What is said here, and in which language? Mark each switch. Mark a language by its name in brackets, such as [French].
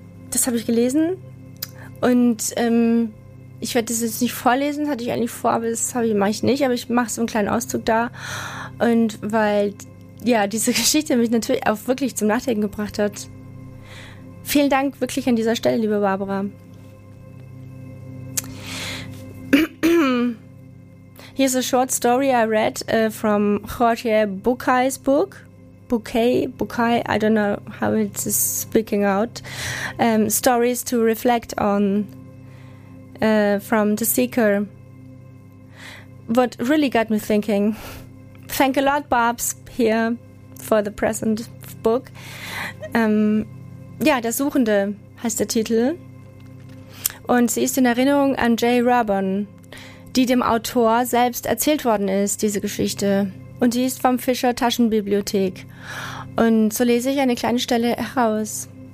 [German] Das habe ich gelesen und ich werde das jetzt nicht vorlesen, das hatte ich eigentlich vor, aber das mache ich nicht, aber ich mache so einen kleinen Auszug da und weil, ja, diese Geschichte mich natürlich auch wirklich zum Nachdenken gebracht hat. Vielen Dank wirklich an dieser Stelle, liebe Barbara. [English] Here's a short story I read from Jorge Bucay's book. Bouquet, I don't know how it's speaking out. Stories to reflect on from The Seeker. what really got me thinking. Thank a lot, Babs, here for the present book. [German] Ja, Der Suchende heißt der Titel. Und sie ist in Erinnerung an Jay Rabon, die dem Autor selbst erzählt worden ist, diese Geschichte. Und die ist vom Fischer Taschenbibliothek. Und so lese ich eine kleine Stelle heraus.